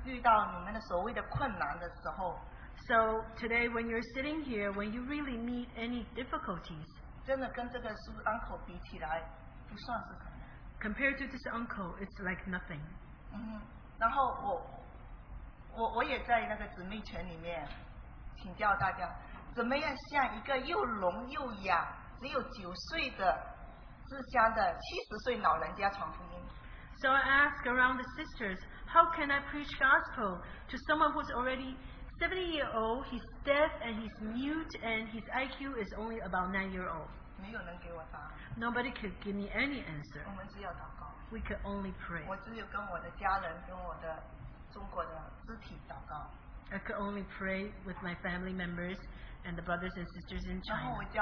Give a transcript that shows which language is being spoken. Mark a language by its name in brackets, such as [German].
[Chinese] 今天在这里坐着，你们如果真的遇到你们的所谓的困难的时候， [English] so today when you're sitting here, when you really meet any difficulties, [Chinese] 真的跟这个叔 uncle 比起来，不算是什么。 [English] Compared to this uncle, it's like nothing. [Chinese] 然后我也在那个姊妹群里面请教大家。怎么样像一个又聋又哑,只有九岁的智商的七十岁老人家传福音? [English] So I ask around the sisters, how can I preach gospel to someone who's already 70 year old, he's deaf and he's mute and his IQ is only about 9 year old? [Chinese] 没有人给我答案。 [English] Nobody could give me any answer. [Chinese] 我们只有祷告。 [English] We could only pray. [Chinese] 我只有跟我的家人跟我的中国的肢体祷告。 [English] I could only pray with my family members and the brothers and sisters in China.